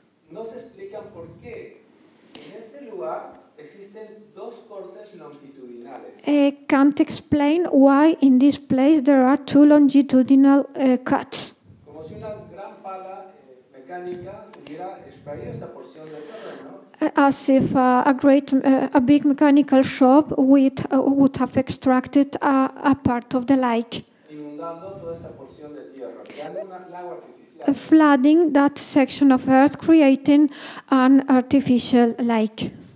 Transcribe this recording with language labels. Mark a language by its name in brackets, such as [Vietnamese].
[Spanish] nos explican por qué en este lugar existen dos cortes longitudinales. [English] Can't explain why in this place there are two longitudinal cuts. [Spanish] Como si una gran pala mecánica hubiera extraído esta porción de terreno, ¿no? [English] As if a big mechanical shop would have extracted a part of the lake. [Spanish] Inundando toda esta porción de tierra, creando un lago artificial. [English] Flooding that section of Earth, creating an artificial lake.